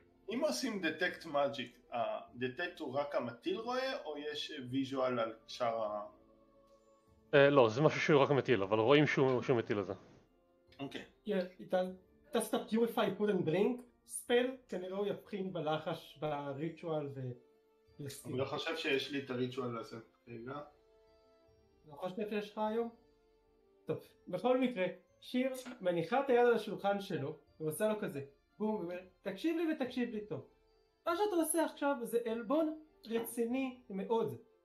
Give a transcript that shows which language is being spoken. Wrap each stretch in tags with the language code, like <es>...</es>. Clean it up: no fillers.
<he>אם עושים דטקט מאג'יק, הדטקט הוא רק המטיל רואה, או יש ויז'ואל על שאר ה... לא, זה משהו שהוא רק המטיל, אבל רואים שהוא מטיל לזה. אוקיי.</he> <en>איתן, does that purify food and drink spell?</en> <he>כנראה הוא יבחין בלחש, בריטואל ו... אני לא חושב שיש לי את הריטואל לעשות. רגע. לא חושב שיש לך היום? טוב, בכל מקרה, שיר מניחה את היד על השולחן שלו, ועושה לו כזה. בום, תקשיב לי ותקשיב לי טוב. מה שאתה עושה עכשיו זה אלבון רציני מאוד.</he>